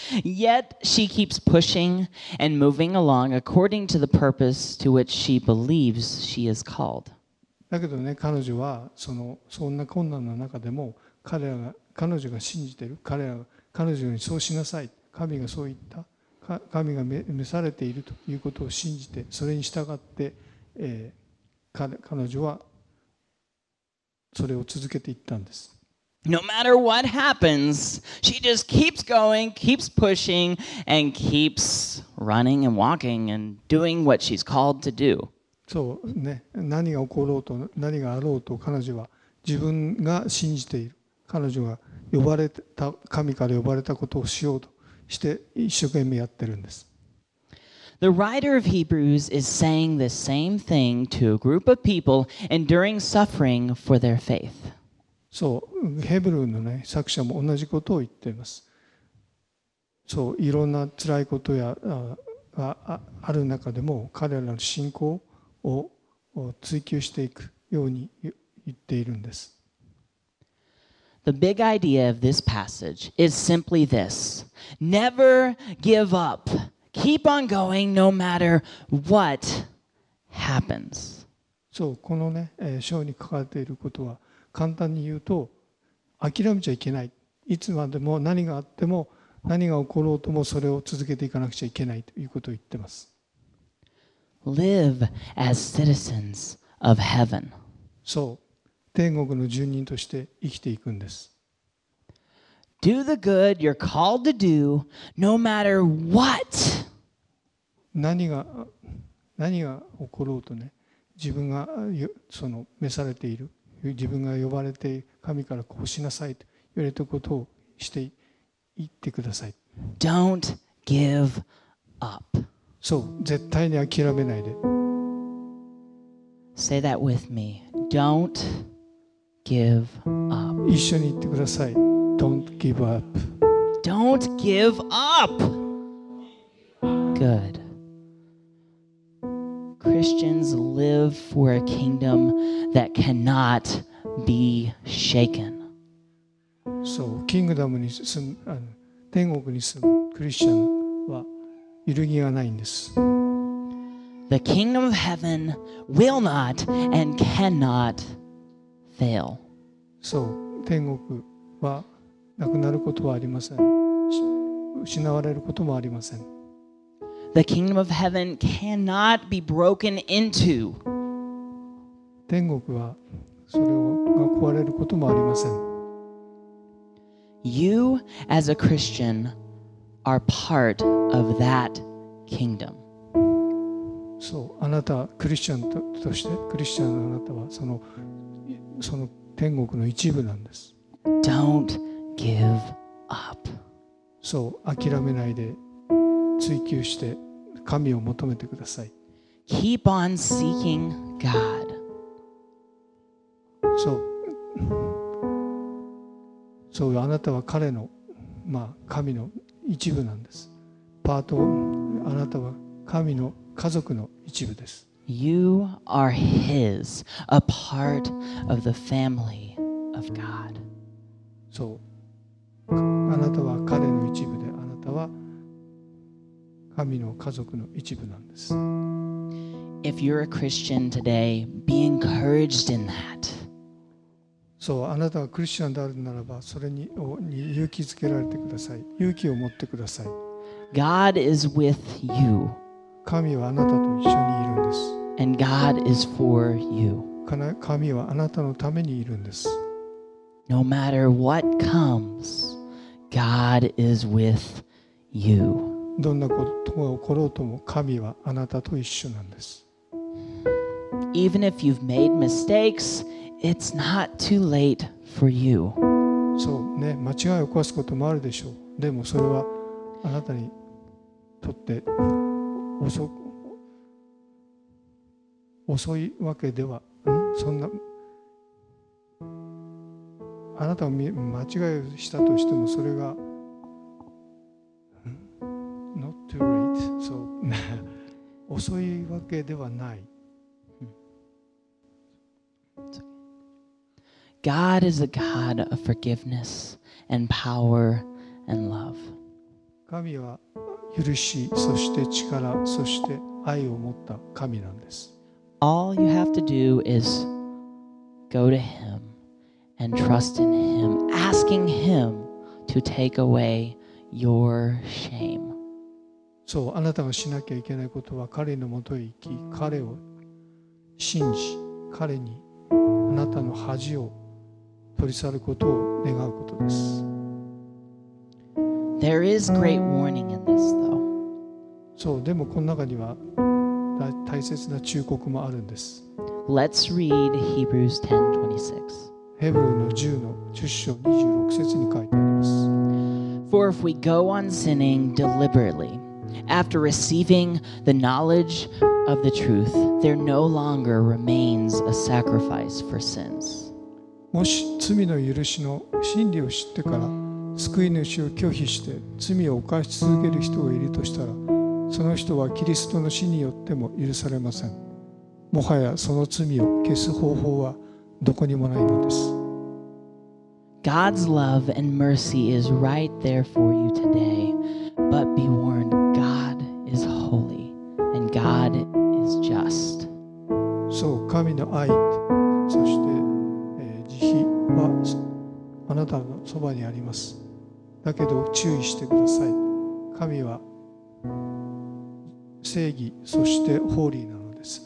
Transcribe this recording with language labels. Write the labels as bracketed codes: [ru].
[en] Yet she keeps pushing and moving along according to the purpose to which she believes she is called. [ja] だけどね、彼女はそんな困難の中でも彼女が信じている、彼女にそうしなさい、神がそう言った、神が召されているということを信じて、それに従って、彼女はそれを続けていったんです。 [en] No matter what happens, she just keeps going, keeps pushing, and keeps running and walking and doing what she's called to do. [ja] そうね、何が起ころうと何があろうと彼女は自分が信じている。彼女が呼ばれた神から呼ばれたことをしようとして一生懸命やってるんです。 [en] The writer of Hebrews is saying the same thing to a group of people enduring suffering for their faith. [ja] そう、ヘブルの、ね、作者も同じことを言っています。そう、いろんな辛いことやある中でも彼らの信仰を追求していくように言っているんです。 [en] The big idea of this passage is simply this. Never give up. Keep on going no matter what happens. [ja] そう、このね、章に書かれていることは簡単に言うと諦めちゃいけない。いつまでも何があっても何が起ころうともそれを続けていかなくちゃいけないということを言ってます。 [en] Live as citizens of heaven. [ja] そう、天国の住人として生きていくんです。 [en] Do the good you're called to do no matter what. [ja] 何が起ころうとね、自分がその召されている、自分が呼ばれて神からこうしなさいと言われたことをしていってください。 [en] Don't give up. [ja] そう、絶対に諦めないで。 [en] Say that with me. Don't give up. [ja] 一緒に言ってください。 [en] Don't give up. Don't give up. Good. Christians live for a kingdom that cannot be shaken. [ja] So, kingdom に住む、天国に住むクリスチャンは揺るぎがないんです。 [en] The kingdom of heaven will not and cannot fail. [ja] So, 天国はなくなることはありません。失われることもありません。 [en] The kingdom of heaven cannot be broken into. [ja] 天国はそれが壊れることもありません。 [en] You as a Christian are part of that kingdom. [ja] そう、あなた、クリスチャンとして、クリスチャンのあなたはその天国の一部なんです。 [en] Don't give up. [ja] そう、諦めないで追求して神を求めてください。 [en] Keep on seeking God. [ja] そう。そう、あなたは彼の、まあ、神の一部なんです。パート、あなたは神の家族の一部です。 [en] You are his, a part of the family of God. [ja] そう。あなたは彼の一部で、あなたは神の家族の一部なんです。 [en] If you're a Christian today, be encouraged in that. [ja] そう、あなたがクリスチャンであるならば、それに勇気づけられてください。勇気を持ってください。 [en] God is with you. [ja] 神はあなたと一緒にいるんです。 [en] And God is for you. [ja] 神はあなたのためにいるんです。 [en] No matter what comes, God is with you. [ja] どんなことが起ころうとも、神はあなたと一緒なんです。 [en] Even if you've made mistakes, it's not too late for you. [ja] そうね、間違いを犯すこともあるでしょう。でもそれはあなたにとって遅いわけでは、そんな、あなたが間違いをしたとしてもそれが [en] not too late、 [ja] そう遅いわけではない。 [en] God is a God of forgiveness and power and love。 [ja] 神は許し、そして力、そして愛を持った神なんです。 [en] All you have to do is go to Him and trust in Him, asking Him to take away your shame. [ja] そう、あなたがしなきゃいけないことは、彼のもとへ行き、彼を信じ、彼にあなたの恥を取り去ることを願うことです。 [en] There is great warning in this, though. [ja] そう、でもこの中には大切な忠告もあるんです。 [en] Let's read Hebrews 10:26. [ja] ヘブルの10の10章26節に書いてあります。 [en] For if we go on sinning deliberately, after receiving the knowledge of the truth, there no longer remains a sacrifice for sins. [ja] もし罪の許しの真理を知ってから救い主を拒否して罪を犯し続ける人がいるとしたら、その人はキリストの死によっても許されません。もはやその罪を消す方法はどこにもないのです。 [en] God's love and mercy is right there for you today. But be warned, God is holy and God is just. [ja] そう、神の愛、そして、慈悲はあなたのそばにあります。だけど注意してください。神は正義、そしてホーリーなのです。